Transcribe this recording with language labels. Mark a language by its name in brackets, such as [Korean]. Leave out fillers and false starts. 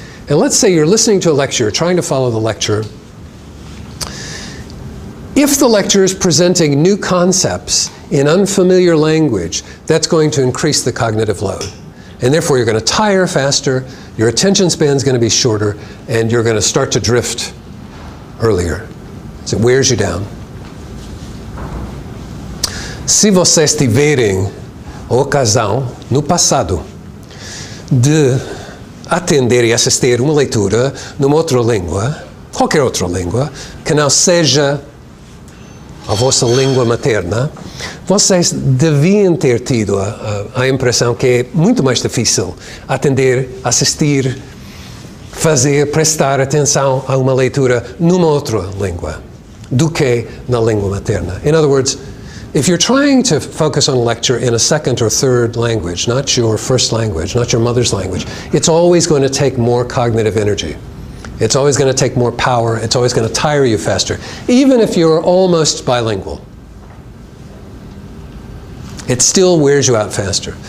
[English] And let's say you're listening to a lecture, trying to follow the lecture. If the lecture is presenting new concepts in unfamiliar language, that's going to increase the cognitive load. And therefore, you're going to tire faster, your attention span is going to be shorter, and you're going to start to drift earlier. So it wears you down. [Portuguese] Se vocês estiverem ocasião no passado de atender e assistir uma leitura numa outra língua, qualquer outra língua, que não seja a vossa língua materna, vocês deviam ter tido a impressão que é muito mais difícil atender, assistir, fazer, prestar atenção a uma leitura numa outra língua do que na língua materna. [English] In other words, if you're trying to focus on a lecture in a second or third language, not your first language, not your mother's language, it's always going to take more cognitive energy. It's always going to take more power. It's always going to tire you faster. Even if you're almost bilingual, it still wears you out faster.